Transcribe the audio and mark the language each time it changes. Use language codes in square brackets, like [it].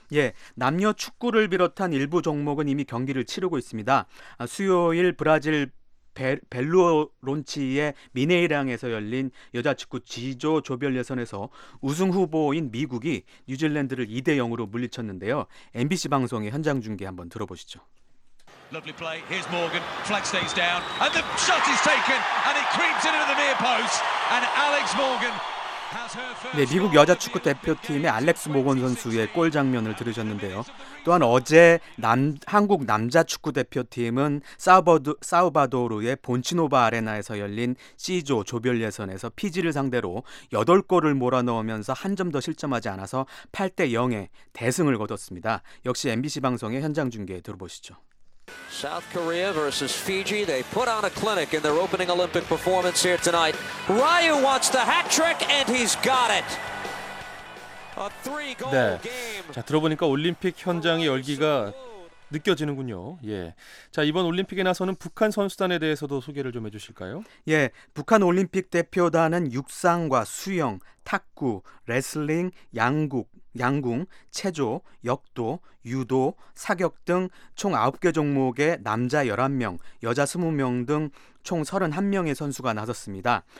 [ko] 예, 남녀 축구를 비롯한 일부 종목은 이미 경기를 치르고 있습니다. 수요일 브라질 벨루론치의 미네이랑에서 열린 여자 축구 G조 조별 예선에서 우승 후보인 미국이 뉴질랜드를 2-0으로 물리쳤는데요. MBC 방송의 현장 중계 한번 들어보시죠. [en] Lovely play. Here's Morgan. Flag stays down. And the shot is taken. And it creeps into the near post. And Alex Morgan. [ko] 네, 미국 여자 축구 대표팀의 알렉스 모건 선수의 골 장면을 들으셨는데요. 또한 어제 한국 남자 축구 대표팀은 사우바도르의 본치노바 아레나에서 열린 C조 조별 예선에서 피지를 상대로 8골을 몰아넣으면서 한 점 더 실점하지 않아서 8대 0의 대승을 거뒀습니다. 역시 MBC 방송의 현장 중계 들어보시죠. [en] South Korea versus Fiji. They put on a clinic in their opening Olympic performance here tonight. Ryu wants the hat trick and he's got it. A three-goal game. [ko] 네. 자, 들어보니까 올림픽 현장의 열기가 느껴지는군요. 예. 자, 이번 올림픽에 나서는 북한 선수단에 대해서도 소개를 좀 해 주실까요? 예. 북한 올림픽 대표단은 육상과 수영, 탁구, 레슬링, 양궁, 체조, 역도, 유도, 사격 등 총 9개 종목에 남자 11명, 여자 20명 등 총 31명의 선수가 나섰습니다.